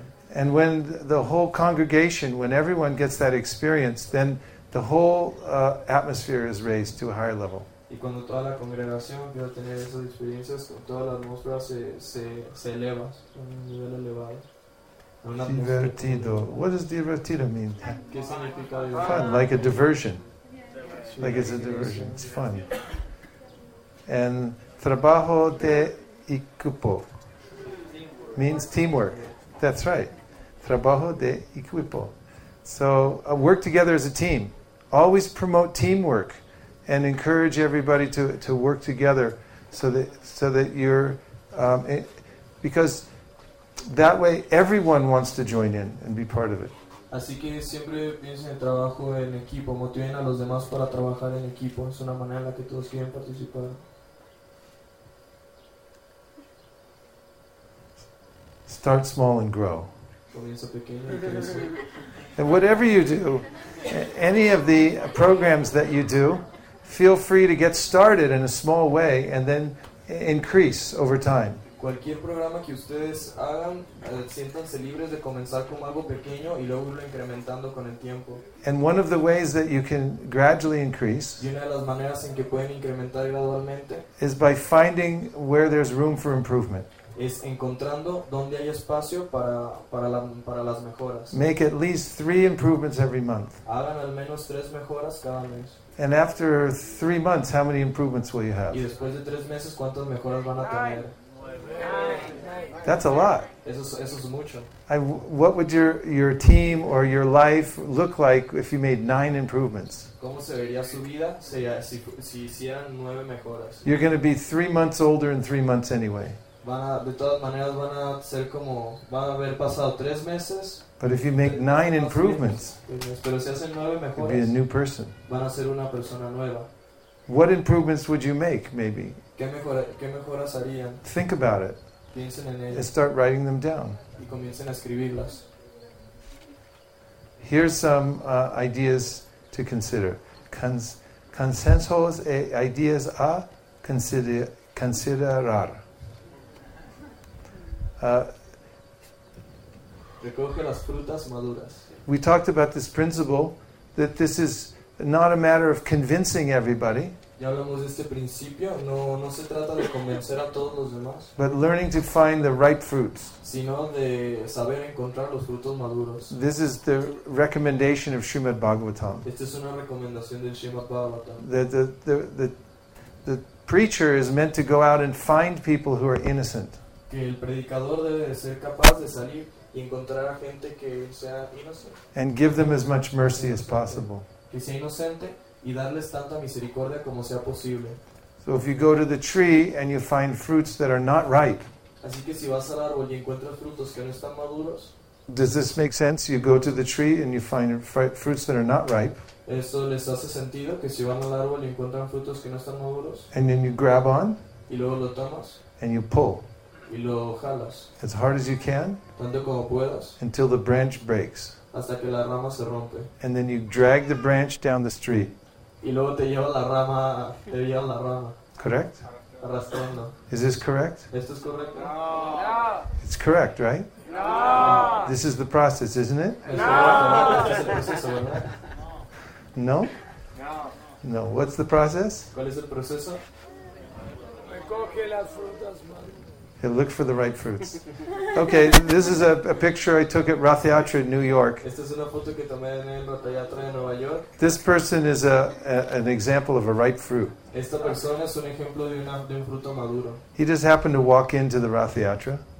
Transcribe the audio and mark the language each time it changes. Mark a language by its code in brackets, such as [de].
[en] And when the whole congregation, when everyone gets that experience, then the whole atmosphere is raised to a higher level. [es] Y cuando toda la congregación empieza a tener esas experiencias, toda la atmósfera se eleva a un nivel elevado. [en] Divertido. What does divertido mean? [es] ¿Qué significa divertido? [en] Fun, like a diversion. Like it's a diversion. It's fun. And [es] trabajo de equipo [en] means teamwork. That's right. [es] Trabajo de equipo. [en] So work together as a team. Always promote teamwork and encourage everybody to work together so that you're... because that way everyone wants to join in and be part of it. [es] Así que siempre piensen en trabajo en equipo. Motiven a los demás para trabajar en equipo. Es una manera en la que todos quieren participar. [en] Start small and grow. [es] Comienza pequeño y crece. [en] And whatever you do, any of the programs that you do, feel free to get started in a small way and then increase over time. [es] Cualquier programa que ustedes hagan, siéntanse libres de comenzar con algo pequeño y luego irlo incrementando con el tiempo. [en] And one of the ways that you can gradually increase, [es] y una de las maneras en que pueden incrementar gradualmente, [en] is by finding where there's room for improvement. [es] Es encontrando donde hay espacio para las mejoras. [en] Make at least 3 improvements every month. [es] Hagan al menos 3 mejoras cada mes. [en] And after 3 months, how many improvements will you have? [es] Y después de 3 meses, ¿cuántas mejoras van a tener? [en] That's a lot. [es] Eso es mucho. [en] What would your team or your life look like if you made 9 improvements? [es] ¿Cómo se vería su vida si hicieran 9 mejoras? [en] You're going to be 3 months older in 3 months anyway. [es] De todas maneras van a ser como van a haber pasado 3 meses. [en] But if you make 9 improvements, [es] pero si hacen 9 mejoras, [en] you'll be a new person. [es] Van a ser una persona nueva. [en] What improvements would you make, maybe? [es] ¿Qué mejoras harían? [en] Think about it. [es] Piensen en ello. [en] And start writing them down. [es] Y comiencen a escribirlas. [en] Here's some ideas to consider. [es] Consensos e ideas a considerar. Recoge las frutas maduras. [en] We talked about this principle that this is not a matter of convincing everybody. [es] Ya hablamos de este principio, no se trata de convencer a todos los demás. [en] But learning to find the ripe fruits. [es] Sino de saber encontrar los frutos maduros. [en] This is the recommendation of Srimad Bhagavatam. [es] Esta es una recomendación del Srimad Bhagavatam. [en] The preacher is meant to go out and find people who are innocent. [es] Que el predicador debe de ser capaz de salir y encontrar a gente que sea inocente. [en] And give them as much mercy as possible. [es] Que sea inocente y darles tanta misericordia como sea posible. [en] So if you go to the tree and you find fruits that are not ripe. [es] Así que si vas al árbol y encuentras frutos que no están maduros. [en] Does this make sense? You go to the tree and you find fruits that are not ripe. [es] ¿Esto les hace sentido que si van al árbol y encuentran frutos que no están maduros? [en] And then you grab on. [es] Y luego lo tomas. [en] And you pull. [es] Y lo jalas. [en] As hard as you can. [es] Tanto como puedas. [en] Until the branch breaks. [es] Hasta que la rama se rompe. [en] And then you drag the branch down the street. [es] Y luego te llevan la rama. [en] Correct? [es] Arrastrando. [en] Is this correct? [es] ¿Esto es correcto? [en] No. It's correct, right? No. This is the process, isn't it? No. No? No. What's the process? [es] ¿Cuál es el proceso? Recoge las frutas. [en] He'll look for the ripe fruits. Okay, this is a picture I took at Rath Yatra in New York. [es] Esta es una foto que tomé en Rath Yatra en Nueva York. [en] This person is an example of a ripe fruit. [es] Esta persona es un ejemplo de un fruto maduro. [en] He just happened to walk into the Rath Yatra.